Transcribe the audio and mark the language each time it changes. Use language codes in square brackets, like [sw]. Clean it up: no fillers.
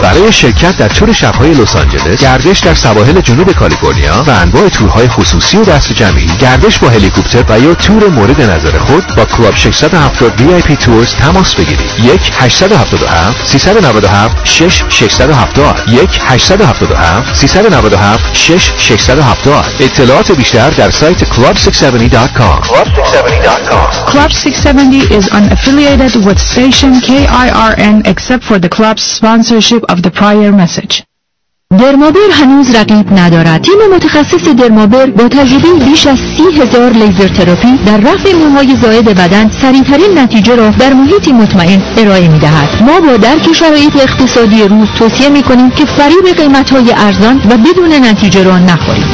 [fa] برای شرکت در تور شب‌های لس آنجلس، گردش در سواحل جنوب کالیفرنیا و انواع تورهای خصوصی و دست جمعی، گردش با هلیکوپتر و یا تور مورد نظر خود با کلاب 670 وی آی پی تورز تماس بگیرید. 1-877-397-6670 1-877-397-6670. اطلاعات بیشتر در سایت club670.com. [en] Club 670 is unaffiliated with station KIRN except for the club's sponsorship of the prior message. [fa] درمابر هنوز رقیب ندارد. تیم متخصص درمابر با تجربه بیش از 30,000 لیزر تراپی در رفع موهای زائد بدن سریع‌ترین نتیجه را در محیطی مطمئن ارائه می‌دهد. ما با درک شرایط اقتصادی روز توصیه می‌کنیم که فریب قیمت‌های ارزان و بدون نتیجه را نخورید.